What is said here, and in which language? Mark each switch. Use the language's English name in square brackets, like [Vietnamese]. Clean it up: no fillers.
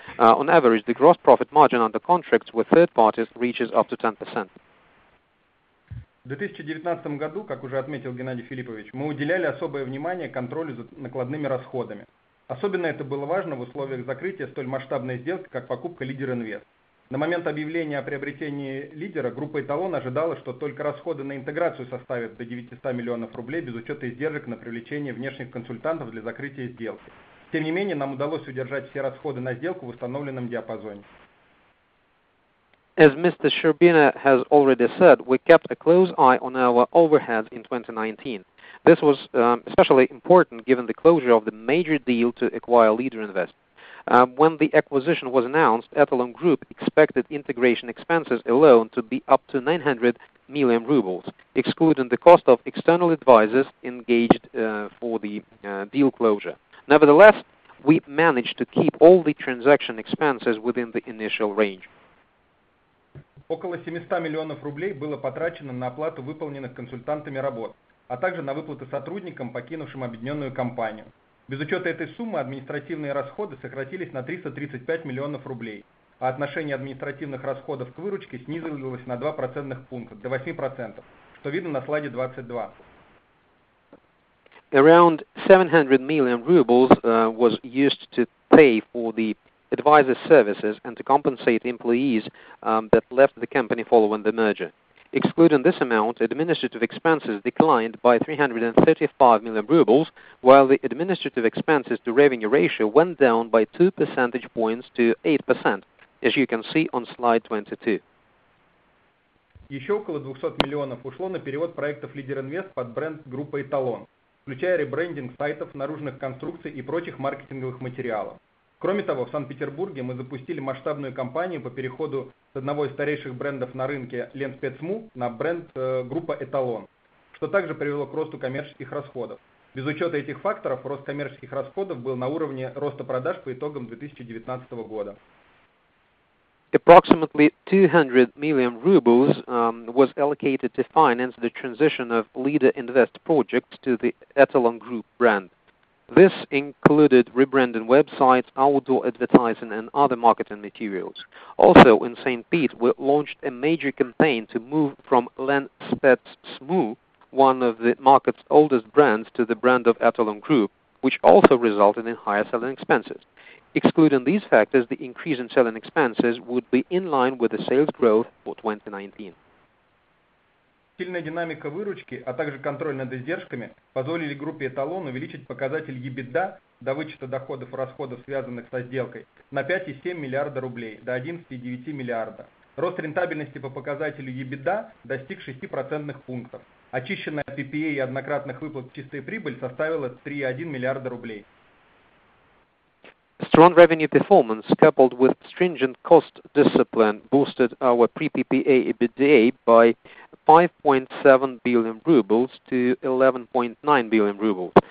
[English] On average, the gross profit margin under contracts with third parties reaches up to 10%. [Russian] В 2019 году, как уже отметил Геннадий Филиппович, мы уделяли особое внимание контролю за накладными расходами. Особенно это было важно в условиях закрытия столь масштабной сделки, как покупка «Лидер Инвест». На момент объявления о приобретении «Лидера» группа «Эталон» ожидала, что только расходы на интеграцию составят до 900 миллионов рублей без учета издержек на привлечение внешних консультантов для закрытия сделки. Тем не менее, нам удалось удержать все расходы на сделку в установленном диапазоне. [English] As Mr. Sherbina has already said, we kept a close eye on our overheads in 2019. This was especially important given the closure of the major deal to acquire Leader Invest. When the acquisition was announced, Etalon Group expected integration expenses alone to be up to 900 million rubles, excluding the cost of external advisors engaged for the deal closure. Nevertheless, we managed to keep all the transaction expenses within the initial range. [Russian] Около 700 миллионов рублей было потрачено на оплату выполненных консультантами работ, а также на выплаты сотрудникам, покинувшим объединенную компанию. Без учета этой суммы административные расходы сократились на 335 миллионов рублей, а отношение административных расходов к выручке снизилось на 2 процентных пункта, до 8%, что видно на слайде 22. [English] Around 700 million rubles was used to pay for the advisor services and to compensate employees that left the company following the merger. Excluding this amount, administrative expenses declined by 335 million rubles, while the administrative expenses to revenue ratio went down by 2 percentage points to 8%, as you can see on slide 22. [Russian] Еще около 200 миллионов ушло на перевод проектов Leader Invest под бренд группы Эталон, включая ребрендинг сайтов, наружных конструкций и прочих маркетинговых материалов. Кроме того, в Санкт-Петербурге мы запустили масштабную кампанию по переходу с одного из старейших брендов на рынке «Ленспецму» на бренд группа «Эталон», что также привело к росту коммерческих расходов. Без учета этих факторов, рост коммерческих расходов был на уровне роста продаж по итогам 2019 года. [English] Approximately 200 million rubles was allocated to finance the transition of Leader Invest projects to the Etalon Group brand. This included rebranding websites, outdoor advertising, and other marketing materials. Also, in St. Pete, we launched a major campaign to move from Ленспецму, one of the market's oldest brands, to the brand of Etalon Group, which also resulted in higher selling expenses. Excluding these factors, the increase in selling expenses would be in line with the sales growth for 2019. [Russian] Сильная динамика выручки, а также контроль над издержками позволили группе «Эталон» увеличить показатель EBITDA до вычета доходов и расходов, связанных со сделкой, на 5,7 миллиарда рублей, до 11,9 миллиарда. Рост рентабельности по показателю EBITDA достиг 6 процентных пунктов. Очищенная от PPA и однократных выплат чистая прибыль составила 3,1 миллиарда рублей. [English] Strong revenue performance coupled with stringent cost discipline boosted our pre-PPA EBITDA by 5.7 billion rubles to 11.9 billion rubles.